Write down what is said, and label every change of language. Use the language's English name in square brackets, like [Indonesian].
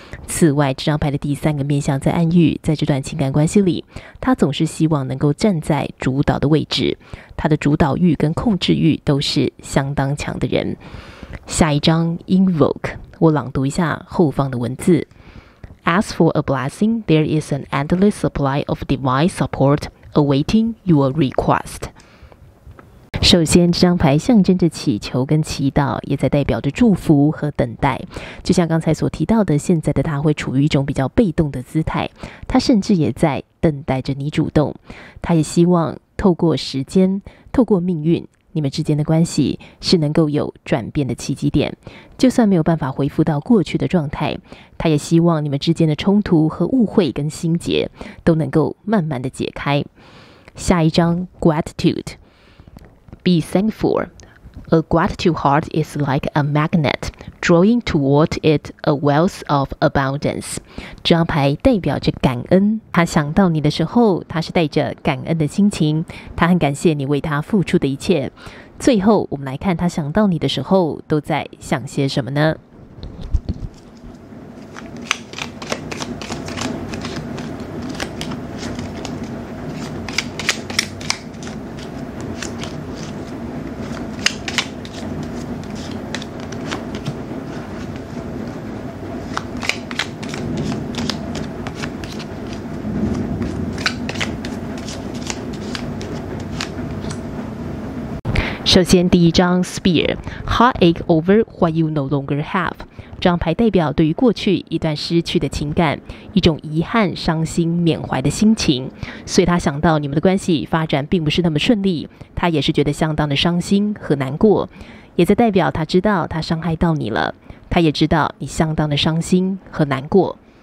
[Chinese] 此外，这张牌的第三个面向在暗喻在这段情感关系里，他总是希望能够站在主导的位置，他的主导欲跟控制欲都是相当强的人。下一张 Invoke， 我朗读一下后方的文字。 [English] As for a blessing, there is an endless supply of divine support awaiting your request. [Chinese] 首先，这张牌象征着祈求跟祈祷，也在代表着祝福和等待。就像刚才所提到的，现在的他会处于一种比较被动的姿态，他甚至也在等待着你主动。他也希望透过时间，透过命运，你们之间的关系是能够有转变的契机点。就算没有办法恢复到过去的状态，他也希望你们之间的冲突和误会跟心结都能够慢慢的解开。下一张 Gratitude。 [English] Be thankful. A gratitude heart is like a magnet, drawing toward it a wealth of abundance. [Chinese] 这张牌代表着感恩。他想到你的时候，他是带着感恩的心情，他很感谢你为他付出的一切。最后，我们来看他想到你的时候都在想些什么呢？首先，第一张 Spear， [English] heartache over what you no longer have。 [Chinese] 这张牌代表对于过去一段失去的情感，一种遗憾、伤心、缅怀的心情。所以他想到你们的关系发展并不是那么顺利，他也是觉得相当的伤心和难过，也在代表他知道他伤害到你了，他也知道你相当的伤心和难过。